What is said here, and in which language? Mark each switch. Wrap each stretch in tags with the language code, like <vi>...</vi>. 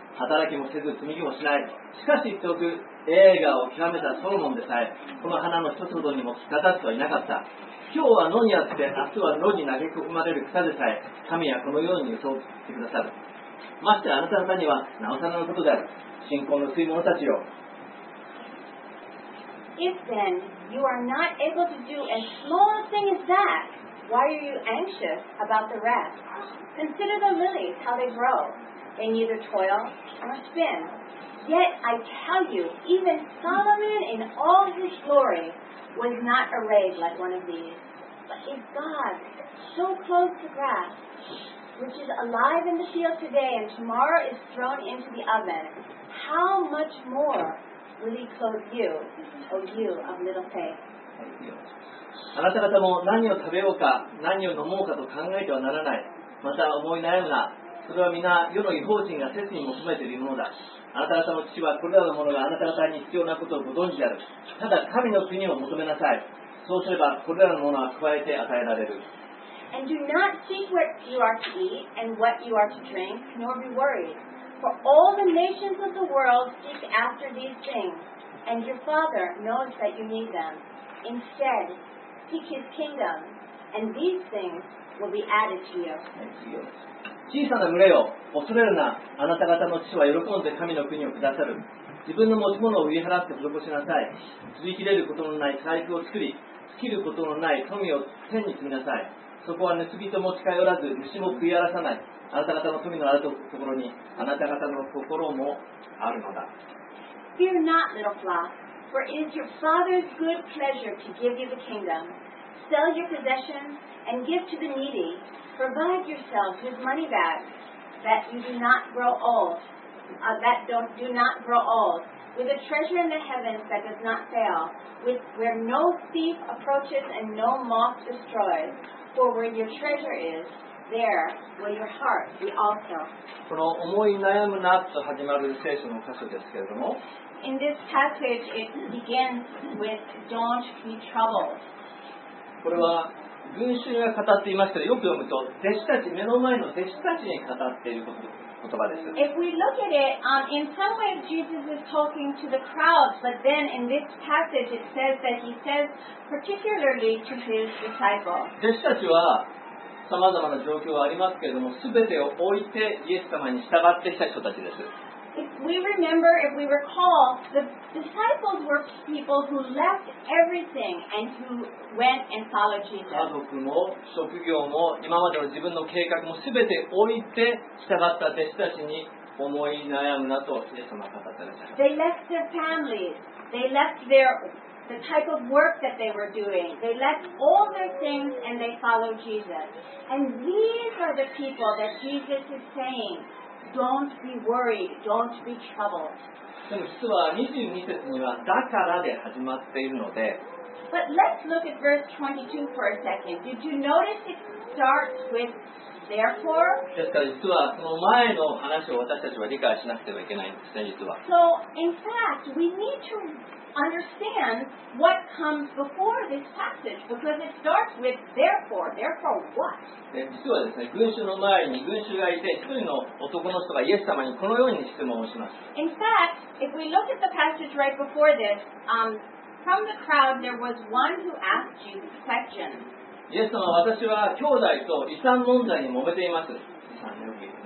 <ja>働きもせず積み木もしない。しかし言っておく、栄華を極めたソロモンでさえこの花の一つほどにも着飾ってはいなかった。今日は野にあって明日は野に投げ込まれる草でさえ神はこのように装ってくださる。ましてあなた方にはなおさらのことである。信仰の薄い者たちよ。</ja> <en>If then you are not able to do as small a thing as that, why are you anxious about the rest? Consider the lilies, how they grow. They neither toil nor spin. Yet I tell you, even Solomon in all his glory was not arrayed like one of these. But if God so clothes the grass, which is alive in the field today and tomorrow is thrown into the oven, how much more?</en> <ja>あなた方も何を食べようか何を飲もうかと考えてはならない。また思い悩むな。それは皆世の異邦人が切に求めているものだ。あなた方の父はこれらのものがあなた方に必要なことをご存知である。ただ神の国を求めなさい。そうすればこれらのものは加えて与えられる。</ja> <en>And do not seek what you are to eat and what you are to drink, nor be worried. For all the nations of the world seek after these things, and your Father knows that you need them. Instead, seek His kingdom, and these things will be added to you.</en> <ja>小さな群れよ、恐れるな。あなた方の父は喜んで神の国を下さる。自分の持ち物を売り払って施しなさい。吸い切れることのない財布を作り、尽きることのない富を天に積みなさい。そこは盗人も近寄らず、虫も食い荒らさない。あなた方の富のあるところに、あなた方の心もあるのだ。</ja> <en>Fear not, little flock, for it is your Father's good pleasure to give you the kingdom. Sell your possessions and give to the needy. Provide yourselves with money bags, that you do not grow old, with a treasure in the heavens that does not fail, with where no thief approaches and no moth destroys. For where your treasure is, there will your heart be also.</en> <ja>この思い悩むなと始まる聖書の箇所ですけれども。</ja> <en>In this passage, it begins with "Don't be troubled."</en> <ja>これは群衆が語っていましたよく読むと弟子たち目の前の弟子たちに語っていること言葉です。</ja> <en>If we look at it, in some ways Jesus is talking to the crowds, but then in this passage it says that he says particularly to his disciples.</en> <ja>弟子たちは様々な状況はありますけれども、すべてを置いてイエス様に従ってきた人たちです。</ja> <en>If we remember, if we recall, the disciples were people who left everything and who went and followed Jesus.</en> <ja>家族も職業も今までの自分の計画もすべて置いて従った弟子たちに思い悩むなとイエス様語っていらっしゃる。</ja> <en>They left their families. They left their the type of work that they were doing. They left all their things and they followed Jesus. And these are the people that Jesus is saying. Don't be worried. Don't be troubled.</en> <ja>でも実は22節にはだからで始まっているので。</ja> <en>But let's look at verse 22 for a second. Did you notice it starts with therefore?</en> <ja>ですから実はその前の話を私たちは理解しなくてはいけないんですね、実は。</ja> <en>So in fact, we need to understand what comes before this passage because it starts with therefore. Therefore what?</en> <ja>実はですね、群衆の前に群衆がいて、一人の男の人がイエス様にこのように質問をします。</ja> <en>In fact, if we look at the passage right before this, from the crowd there was one who asked Jesus a question.</en> <ja>イエス様、私は兄弟と遺産問題に揉めています。遺産の受け。</ja>